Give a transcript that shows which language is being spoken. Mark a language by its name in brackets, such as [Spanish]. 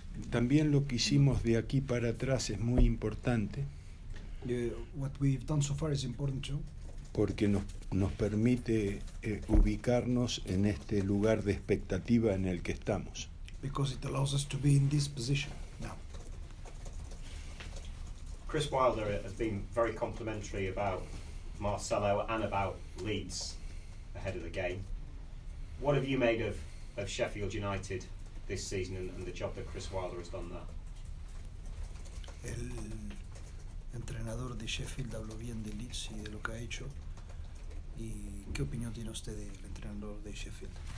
[Spanish] también lo que hicimos de aquí para atrás es muy importante. [English] What we've done so far is important too. [Spanish] porque nos permite ubicarnos en este lugar de expectativa en el que estamos. [English] Because it allows us to be in this position now. Chris Wilder has been very complimentary about Marcelo and about Leeds ahead of the game. What have you made of Sheffield United this season and the job that Chris Wilder has done there? [Spanish] El entrenador de Sheffield habló bien de Leeds y de lo que ha hecho. ¿Y qué opinión tiene usted del entrenador de Sheffield?